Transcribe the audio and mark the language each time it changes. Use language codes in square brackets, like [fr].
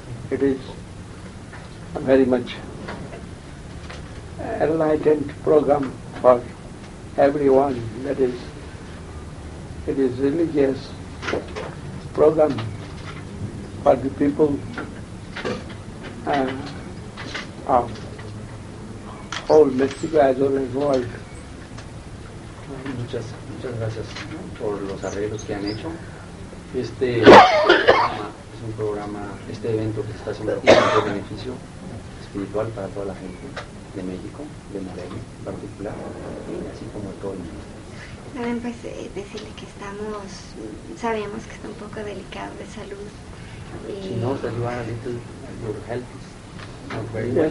[en] It is very much enlightened program for everyone. That is, it is religious program for the people of whole Mexico as well as world. [es] Muchas gracias por los arreglos que han hecho. Este es un programa, este evento que se está haciendo tiene mucho beneficio espiritual para toda la gente de México, de Morelia en particular, así como todo el mundo. También pues decirle que estamos, sabemos que está un poco delicado de salud. [en] She knows that you are a little, your health is not very well.